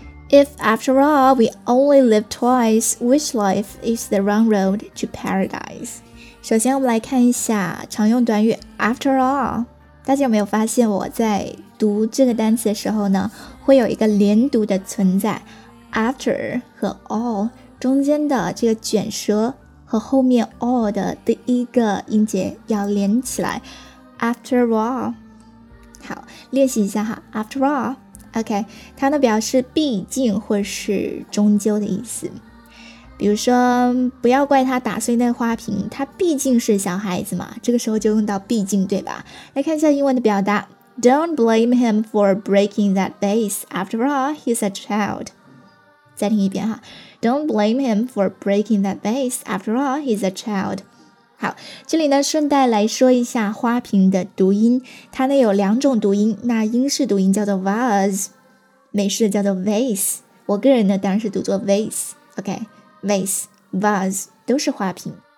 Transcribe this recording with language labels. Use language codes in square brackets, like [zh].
[en] If after all we only live twice, which life is the wrong road to paradise? [zh] 首先我们来看一下常用短语 after all。大家有没有发现我在读这个单词的时候呢，会有一个连读的存在， after 和 all 中间的这个卷舌和后面 all 的第一个音节要连起来， after all。好，练习一下哈， after allOK， 它呢表示毕竟或是终究的意思。比如说，不要怪他打碎那花瓶，他毕竟是小孩子嘛，这个时候就用到毕竟，对吧？来看一下英文的表达 [en] ，Don't blame him for breaking that vase. After all, he's a child. [zh] 再听一遍哈 [en] ，Don't blame him for breaking that vase. After all, he's a child. [zh] 好，这里呢顺带来说一下花瓶的读音，它呢有两种读音，那英式读音叫做 vase， 美式叫做 vase， 我个人呢当然是读作 vase， OK， vase， vase 都是花瓶。